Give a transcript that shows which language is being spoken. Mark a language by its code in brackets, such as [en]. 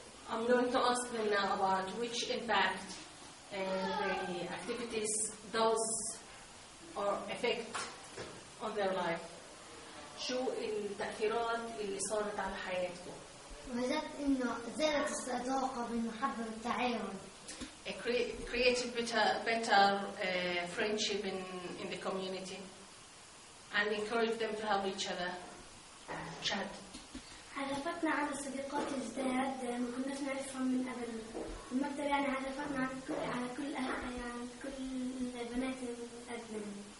[en] I'm going to ask them now about which impact the activities does or affect on their life. [ar] شو التأثيرات اللي صارت على حياتكم؟ وجدت إنه زادت الصداقة بالمحبة والتعاون. [en] Created better friendship in the community. And encourage them to help each other. Chat. [ar] عرفتنا على صديقات جداد ما كناش نعرفهم من قبل. المكتب يعني عرفتنا على كل يعني كل البنات الأدنى.